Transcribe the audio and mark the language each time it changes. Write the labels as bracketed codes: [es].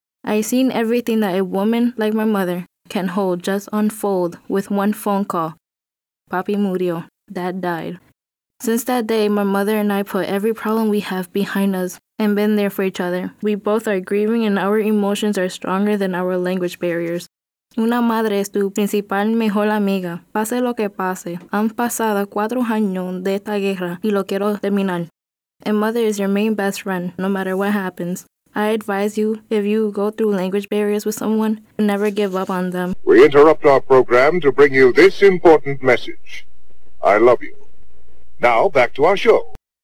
[en] I seen everything that a woman like my mother can hold just unfold with one phone call. [es] Papi murió. [en] Dad died. Since that day, my mother and I put every problem we have behind us and been there for each other. We both are grieving and our emotions are stronger than our language barriers. [es] Una madre es tu principal mejor amiga. Pase lo que pase. Han pasado 4 años de esta guerra y lo quiero terminar. [en] A mother is your main best friend, no matter what happens. I advise you, if you go through language barriers with someone, never give up on them. We interrupt our program to bring you this important message. I love you. Now, back to our show.